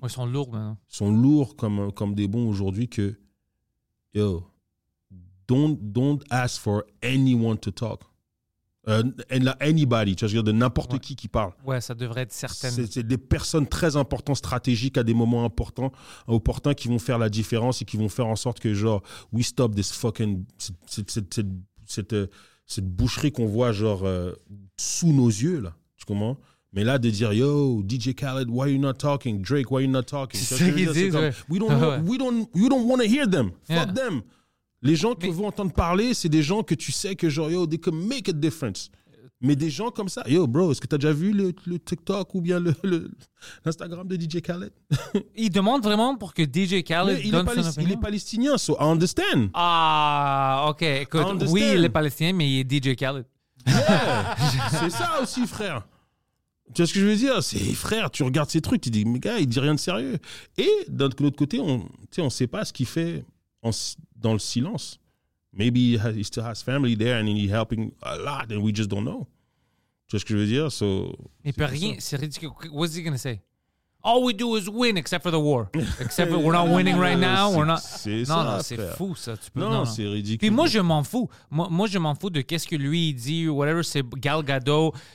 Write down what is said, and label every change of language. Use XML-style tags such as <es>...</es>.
<fr>Ouais, ils sont lourds, maintenant. Ils sont lourds comme des bombes aujourd'hui que...</fr> <en>Yo, don't ask for anyone to talk. Anybody,</en> <fr>tu vois, je veux dire, de n'importe ouais. Qui parle. Ouais, ça devrait être certaines. C'est des personnes très importantes, stratégiques, à des moments importants, opportuns, qui vont faire la différence et qui vont faire en sorte que, genre,</fr> <en>we stop this fucking...</en> <fr>Cette boucherie qu'on voit, genre, sous nos yeux, là. Tu comprends? Mais là, de dire, yo, DJ Khaled,</fr> <en>why are you not talking? Drake, why are you not talking?</en> <fr>C'est ce qu'ils disent, ouais.</fr> <en>You don't want to hear them. Fuck yeah. Them.</en> <fr>Les gens qui vont entendre parler, c'est des gens que tu sais que genre, yo,</fr> <en>they can make a difference.</en> <fr>Mais des gens comme ça, yo, bro, est-ce que t'as déjà vu le TikTok ou bien l'Instagram de DJ Khaled? Il demande vraiment pour que DJ Khaled mais donne son opinion. Il est palestinien,</fr> <en>so I understand.</en> <fr>Ah, OK. Écoute, oui, il est palestinien, mais il est DJ Khaled. Yeah. C'est ça aussi, frère. Tu vois ce que je veux dire? C'est frère, tu regardes ces trucs, tu dis, mais gars, il dit rien de sérieux. Et d'un autre côté, on sait pas ce qu'il fait dans le silence.</fr> <en>Maybe he still has family there and he's helping a lot and we just don't know.</en> <fr>Tu vois ce que je veux dire?</fr> <en>So,</en> <fr>il peut rien, ça. C'est ridicule.</fr> <en>What's he going to say? All we do is win except for the war. Except for we're not winning right now.</en> <fr>C'est,</fr> <en>we're not...</en> <fr>c'est non, ça, non, frère. C'est fou ça. Tu peux... non, c'est ridicule. Puis moi, je m'en fous. Moi, je m'en fous de qu'est-ce que lui dit, whatever, c'est Gal Gadot.</fr>